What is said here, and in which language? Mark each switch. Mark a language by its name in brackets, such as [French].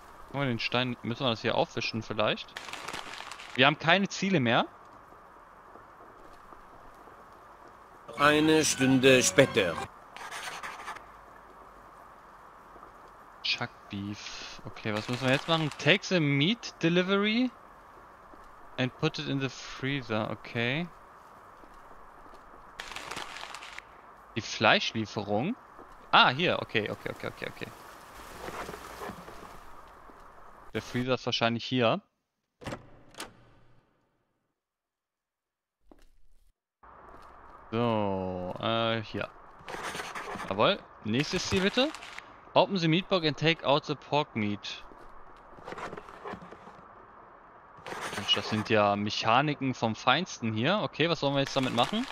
[German] Können wir den Stein. Müssen wir das hier aufwischen vielleicht? Wir haben keine Ziele mehr. Eine Stunde später. [English] Chuck Beef. [German] Okay, was müssen wir jetzt machen? [English] Take the meat delivery and put it in the freezer. [German] Okay. Die Fleischlieferung? Ah, hier, okay. Der Freezer ist wahrscheinlich hier. Hier. Jawohl. Nächstes Ziel bitte. [English] Open the meat bag and take out the pork meat. [German] Mensch, das sind ja Mechaniken vom Feinsten hier. Okay, was sollen wir jetzt damit machen?